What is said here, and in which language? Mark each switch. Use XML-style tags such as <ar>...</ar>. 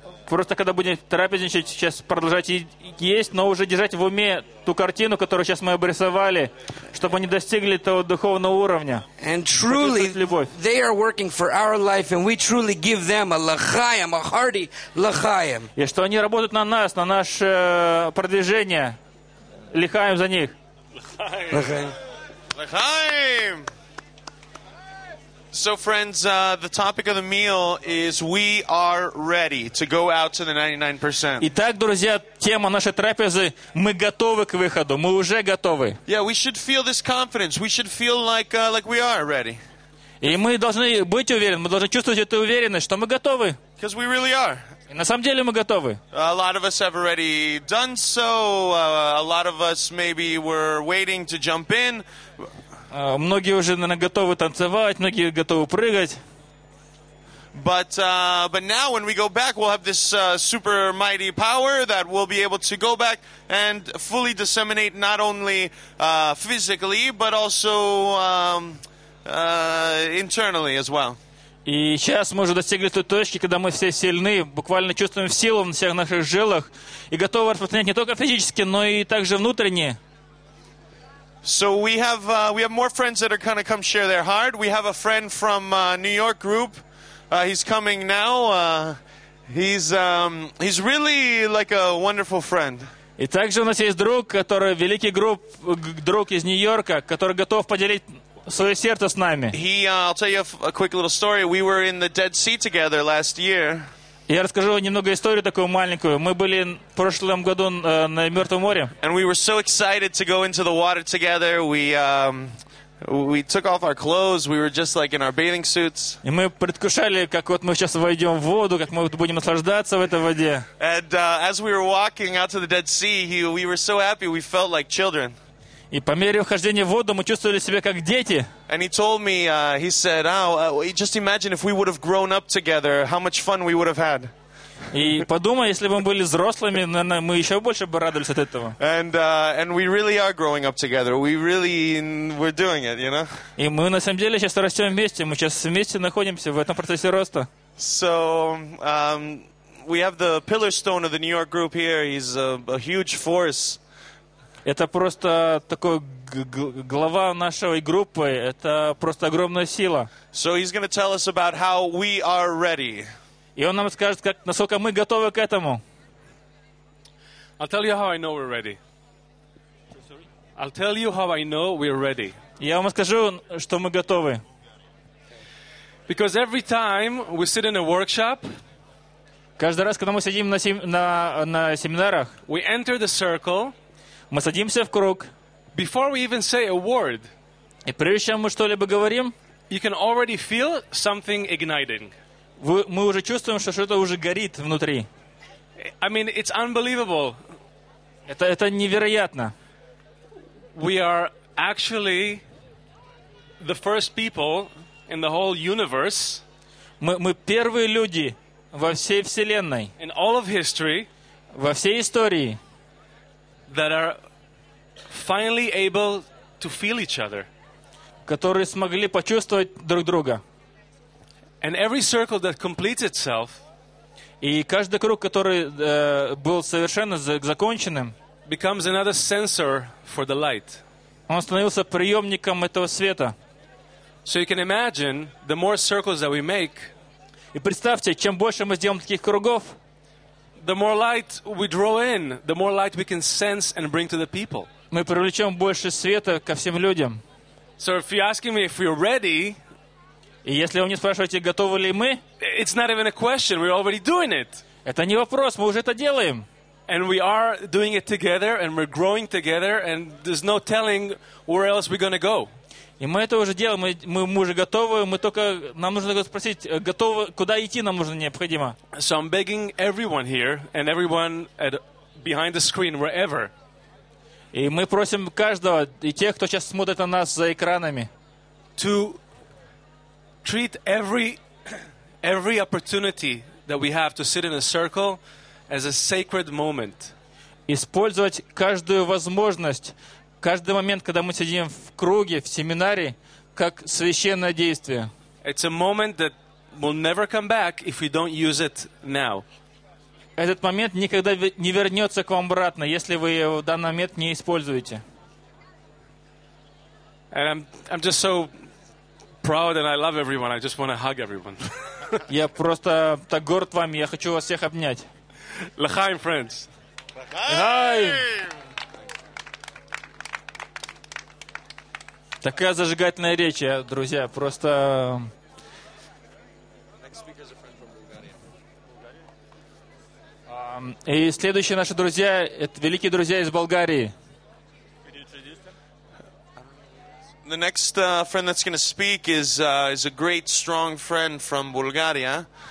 <ru>Просто когда будем трапезничать, сейчас продолжать есть, но уже держать в уме ту картину, которую сейчас мы обрисовали, чтобы они достигли того духовного уровня.</ru> <en>And truly, they are working for our life, and we truly give them a l'chaim, a hearty l'chaim.</en> <ru>И что они работают на нас, на наше продвижение. Лихаем за них.</ru> <he>Лихаем. Лихаем.</he> <en>So, friends, the topic of the meal is we are ready to go out to the 99%.</en> <ru>Итак, друзья, тема нашей трапезы – мы готовы к выходу, мы уже готовы.</ru> <en>Yeah, we should feel this confidence. We should feel like we are ready.</en> <ru>И мы должны быть уверены, мы должны чувствовать эту уверенность, что мы готовы.</ru> <en>Because we really are.</en> <ru>И на самом деле мы готовы.</ru> <en>A lot of us have already done so. A lot of us maybe were waiting to jump in.</en> <ru>Многие уже, наверное, готовы танцевать, многие готовы прыгать.</ru> <en>But now when we go back, we'll have this super mighty power that we'll be able to go back and fully disseminate not only physically, but also internally as well.</en> <ru>И сейчас мы уже достигли той точки, когда мы все сильны, буквально чувствуем силу на всех наших жилах и готовы распространять не только физически, но и также внутренне.</ru> <en>So we have more friends that are going to come share their heart. We have a friend from New York group. He's coming now. He's really like a wonderful friend.</en> <ru>И также у нас есть друг, который великий друг из Нью-Йорка, который готов поделить свое сердце с нами.</ru> <en>I'll tell you a quick little story. We were in the Dead Sea together last year.</en> <ru>Я расскажу немного историю такую маленькую. Мы были в прошлом году на Мертвом море.</ru> <en>And we were so excited to go into the water together. We took off our clothes. We were just like in our bathing suits.</en> <ru>И мы предвкушали, как вот мы сейчас войдем в воду, как мы будем наслаждаться в этой воде.</ru> <en>And as we were walking out to the Dead Sea, we were so happy. We felt like children.</en> <ru>И по мере вхождения в воду мы чувствовали себя как дети.</ru> <en>And he told me, he said, just imagine if we would have grown up together, how much fun we would have had.</en> <ru>И подумай, если бы мы были взрослыми, наверное, мы еще больше бы радовались от этого.</ru> <en>And we really are growing up together. We're doing it, you know.</en> <ru>И мы на самом деле сейчас растем вместе. Мы сейчас вместе находимся в этом процессе роста.</ru> <en>So, we have the pillar stone of the New York group here. He's a huge force.</en> <ru>Это просто такой глава нашей группы. Это просто огромная сила.</ru> <en>So he's going to tell us about how we are ready.</en> <ru>И он нам скажет, как, насколько мы готовы к этому.</ru> <en>I'll tell you how I know we're ready. I'll tell you how I know we're ready.</en> <ru>Я вам скажу, что мы готовы.</ru> <en>Because every time we sit in a workshop,</en> <ru>каждый раз, когда мы сидим на семинарах,</ru> <en>we enter the circle.</en> <ru>Мы садимся в круг.</ru> <en>Before we even say a word,</en> <ru>и прежде чем мы что-либо говорим,</ru> <en>you can already feel something igniting.</en> <ru>Мы уже чувствуем, что что-то уже горит внутри.</ru> <en>I mean, it's unbelievable.</en> <ru>Это невероятно.</ru> <en>We are actually the first people in the whole universe.</en> <ru>Мы первые люди во всей вселенной.</ru> <en>In all of history,</en> <ru>во всей истории.</ru> <en>That are finally able to feel each other.</en> <ru>Которые смогли почувствовать друг друга.</ru> <en>And every circle that completes itself.</en> <ru>И каждый круг, который был совершенно законченным.</ru> <en>Becomes another sensor for the light.</en> <ru>Он становился приемником этого света.</ru> <en>So you can imagine the more circles that we make.</en> <ru>И представьте, чем больше мы сделаем таких кругов.</ru> <en>The more light we draw in, the more light we can sense and bring to the people.</en> <ru>Мы привлечем больше света ко всем людям.</ru> <en>So if you're asking me if we're ready,</en> <ru>и если вы мне спрашиваете, готовы ли мы,</ru> <en>it's not even a question, we're already doing it.</en> <ru>Это не вопрос, мы уже это делаем.</ru> <en>And we are doing it together, and we're growing together, and there's no telling where else we're going to go.</en> <ru>И мы это уже делаем, мы уже готовы, мы только, нам нужно спросить, готовы, куда идти нам нужно, необходимо.</ru> <en>So I'm begging everyone here, and everyone behind the screen, wherever.</en> <ru>И мы просим каждого, и тех, кто сейчас смотрит на нас за экранами.</ru> <en>To treat every opportunity that we have to sit in a circle as a sacred moment.</en> <ru>Использовать каждую возможность, каждый момент, когда мы сидим в круге, в семинаре, как священное действие.</ru> <en>It's a moment that will never come back if we don't use it now.</en> <ru>Этот момент никогда не вернется к вам обратно, если вы его в данный момент не используете.</ru> <en>And I'm just so proud and I love everyone. I just want to hug everyone.</en> <ru>Я просто так горд вами, я хочу вас всех обнять.</ru> <en>L'chaim, friends.</en> <he>L'chaim!</he> <ru>Такая зажигательная речь, друзья, просто... И следующие наши друзья, это великие друзья из Болгарии.</ru> <en>The next friend that's going to speak is a great, strong friend from Bulgaria.</en>